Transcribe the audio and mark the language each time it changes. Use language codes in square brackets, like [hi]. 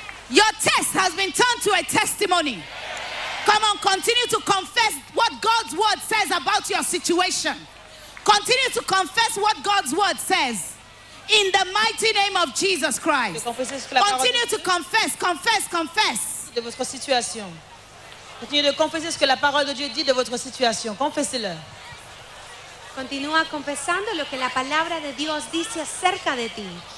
[en] Your test has been turned to a testimony. Come on, continue to confess what God's word says about your situation. Continue to confess what God's word says in the mighty name of Jesus Christ. Continue to confess, confess, confess. [fr] De votre situation. Continue de confesser ce que la parole de Dieu dit de votre situation. Confessez-le. [es] Continúa confesando lo que la palabra de Dios dice acerca de ti.